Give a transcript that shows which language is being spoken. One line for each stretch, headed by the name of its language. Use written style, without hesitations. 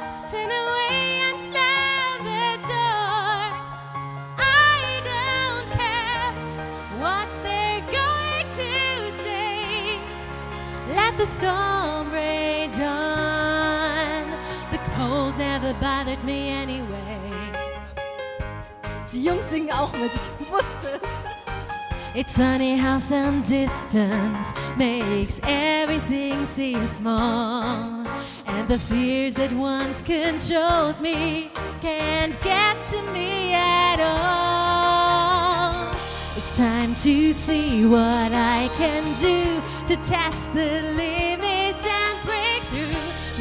English: Turn away and slam the door. I don't care what they're going to say. Let the storm rage on. The cold never bothered me anyway.
German: Die Jungs singen auch mit, ich wusste es.
English: It's funny how some distance makes everything seem small. And the fears that once controlled me can't get to me at all. It's time to see what I can do to test the limits and break through.